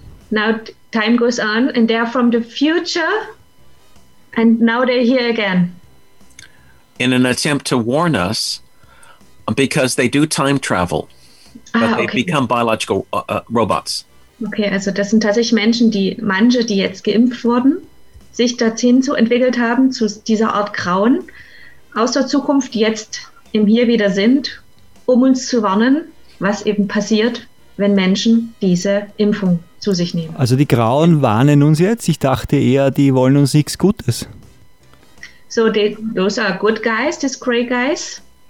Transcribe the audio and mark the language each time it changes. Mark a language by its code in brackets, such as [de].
[en] Now time goes on and they are from the future. And now they're here again. In an attempt to warn us, because they do time travel. Become biological robots. [de] Okay, also das sind tatsächlich Menschen, die jetzt geimpft wurden, sich dorthin zu entwickelt haben, zu dieser Art Grauen, aus der Zukunft jetzt im Hier wieder sind, um uns zu warnen, was eben passiert, wenn Menschen diese Impfung zu sich nehmen. Also die Grauen warnen uns jetzt? Ich dachte eher, die wollen uns nichts Gutes. [en] So, those are good guys, these gray guys.